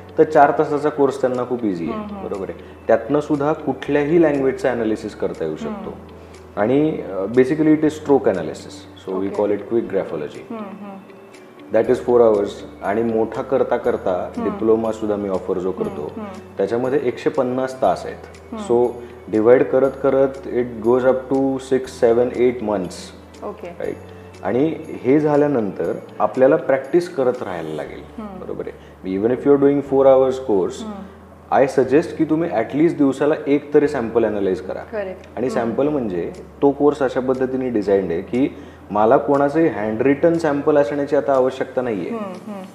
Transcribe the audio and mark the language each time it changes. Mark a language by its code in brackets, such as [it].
[mr] तर 4 तासाचा कोर्स त्यांना खूप इझी आहे. बरोबर आहे. त्यातनं सुद्धा कुठल्याही लँग्वेजचा अनालिसिस करता येऊ शकतो आणि [en] Basically it is stroke analysis, so we call it quick graphology. That is 4 hours [mr] आणि मोठा करता करता डिप्लोमा सुद्धा मी ऑफर जो करतो त्याच्यामध्ये 150 तास आहेत. [en] so divide [mr] करत करत [en] It goes up to 6-7-8 months. Okay. Right. [mr] आणि हे झाल्यानंतर आपल्याला प्रॅक्टिस करत राहायला लागेल. बरोबर आहे. [en] even if you are doing 4 hours course, I suggest [mr] की तुम्ही ॲटलीस्ट दिवसाला एक तरी सॅम्पल अनालाइज करा. आणि सॅम्पल म्हणजे तो कोर्स अशा पद्धतीने डिझाईन्ड आहे की मला कोणाचंही हँड रिटन सॅम्पल असण्याची आता आवश्यकता नाही आहे.